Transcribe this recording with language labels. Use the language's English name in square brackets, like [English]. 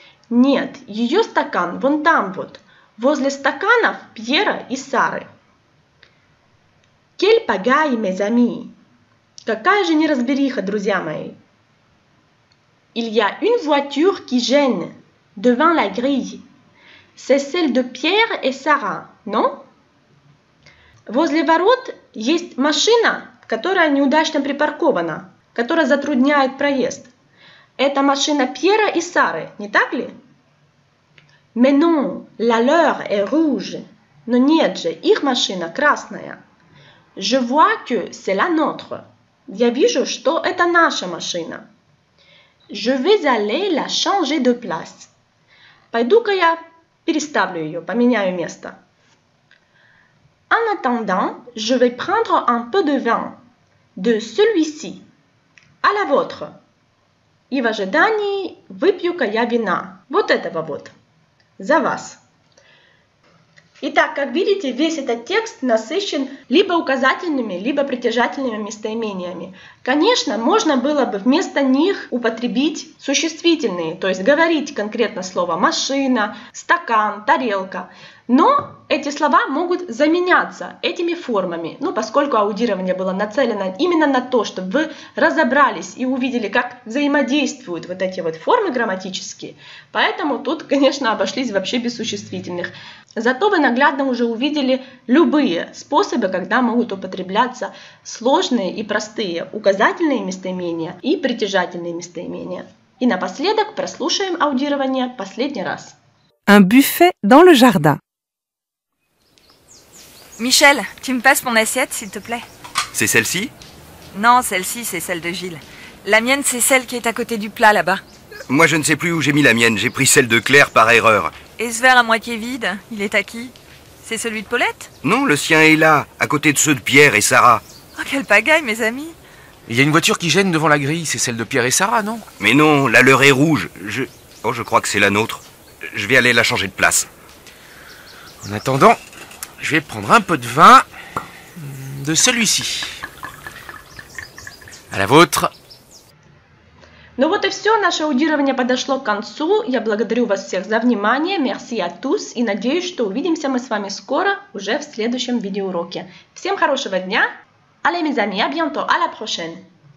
[Russian] Нет, ее стакан вон там вот, возле стаканов Пьера и Сары. [French] Quelle pagaille, mes amis! [Russian] Какая же неразбериха, друзья мои. [French] Il y a une voiture qui gêne devant la grille. C'est celle de Pierre et Sarah, non? [Russian] Возле ворот есть машина, которая неудачно припаркована, которая затрудняет проезд. Это машина Пьера и Сары, не так ли? [French] Mais non, la leur est rouge. [Russian] Но нет же, их машина красная. [French] Je vois que c'est la nôtre. [Russian] Я вижу, что это наша машина. [French] Je vais aller la changer de place. [Russian] Пойду-ка я переставлю ее, поменяю место. [French] En attendant, je vais prendre un peu de vin. De celui-ci. À la vôtre. [Russian] И в ожидании выпью-ка я вина. Вот этого вот. За вас. Итак, как видите, весь этот текст насыщен либо указательными, либо притяжательными местоимениями. Конечно, можно было бы вместо них употребить существительные, то есть говорить конкретно слово «машина», «стакан», «тарелка». Но эти слова могут заменяться этими формами. Ну, поскольку аудирование было нацелено именно на то, чтобы вы разобрались и увидели, как взаимодействуют вот эти вот формы грамматические, поэтому тут, конечно, обошлись вообще без существительных. Зато вы наглядно уже увидели любые способы, когда могут употребляться сложные и простые указательные местоимения и притяжательные местоимения. И напоследок прослушаем аудирование последний раз. [French] Un buffet dans le jardin. Michel, tu me passes mon assiette, s'il te plaît. C'est celle-ci? Non, celle-ci, c'est celle de Gilles. La mienne, c'est celle qui est à côté du plat, là-bas. Moi, je ne sais plus où j'ai mis la mienne. J'ai pris celle de Claire par erreur. Et ce verre à moitié vide, il est à qui? C'est celui de Paulette? Non, le sien est là, à côté de ceux de Pierre et Sarah. Oh, quelle pagaille, mes amis! Il y a une voiture qui gêne devant la grille. C'est celle de Pierre et Sarah, non? Mais non, la leur est rouge. Je crois que c'est la nôtre. Je vais aller la changer de place. En attendant, je vais prendre un peu de vin de celui-ci. À la vôtre. [Russian] Ну вот и все, наше аудирование подошло к концу. Я благодарю вас всех за внимание. [French] Merci à tous. [Russian] И надеюсь, что увидимся мы с вами скоро, уже в следующем видеоуроке. Всем хорошего дня. Allez, mes amis, à bientôt. À la prochaine.